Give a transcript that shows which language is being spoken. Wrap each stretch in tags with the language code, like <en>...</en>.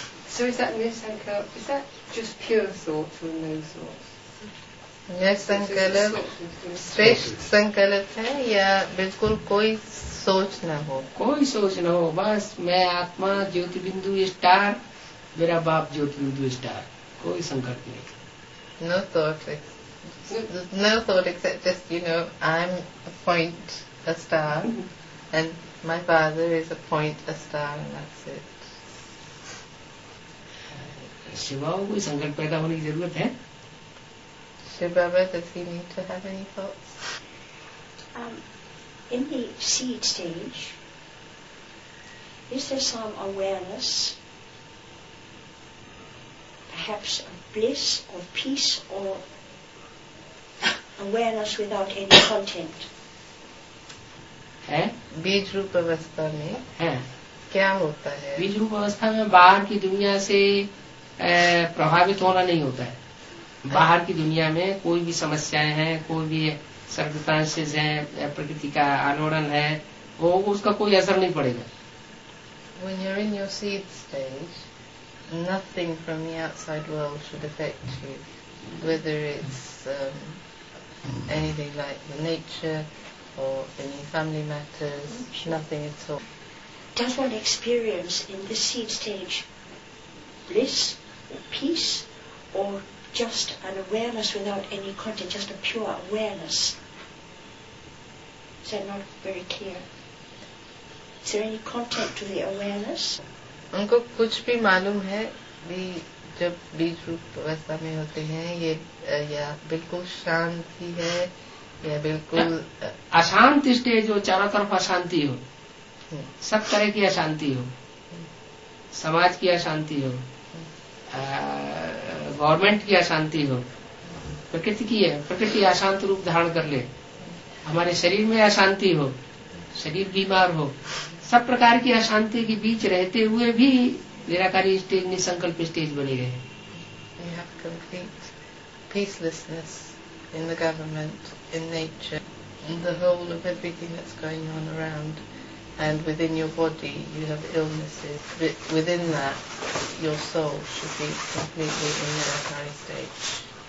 <en>So is that nisankalpa, is that just pure thoughts or no thoughts?</en> <hi>Nisankalpa, shreshth sankalpa hai ya bilkul koi सोच न हो, कोई सोच न हो, बस मैं आत्मा ज्योति बिंदु स्टार, मेरा बाप ज्योति बिंदु स्टार, कोई संकल्प नहीं.</hi> <en>No thought except just, you know, I'm a point, a star, and my father is a point, a star, and that's it.</en> <hi>Shiva को कोई संकल्प पैदा होने की जरूरत है?</hi> <en>Shiva, does he need to have any thoughts? In the seed stage, is there some awareness, perhaps of bliss or peace or awareness without any content?</en> <hi>है बीज रूप अवस्था में क्या होता है? बीज रूप अवस्था में बाहर की दुनिया से प्रभावित होना नहीं होता है. बाहर की दुनिया में कोई भी समस्याएं हैं, कोई भी सर्कमस्टेंसेस हैं, प्रकृति का आलोड़न है, वो उसका कोई असर नहीं पड़ेगा.</hi> <en>When you're in your seed stage, nothing from the outside world should affect you, whether it's anything like the nature or any family matters, nothing at all. Does one experience in the seed stage bliss or peace or just an awareness without any content, just a pure awareness? Is that not very clear? Is there any content to the awareness?</en> <hi>उनको कुछ भी मालूम है भी जब बीज रूप अवस्था में होते हैं ये या बिल्कुल शांति है या बिल्कुल अशांत स्टेज हो, चारों तरफ अशांति हो, सब तरह की अशांति हो, समाज की अशांति हो, गवर्नमेंट की अशांति हो, प्रकृति की है, प्रकृति अशांत रूप धारण कर ले, हमारे शरीर में अशांति हो, शरीर बीमार हो, सब प्रकार की अशांति के बीच रहते हुए भी निराकारी स्टेज निसंकल्प स्टेज बनी रहे.</hi> <en>You have complete peacelessness in the government, in nature, in the whole of everything that's going on around, and within your body you have illnesses, but within that your soul should be completely in the Nirakari stage.</en>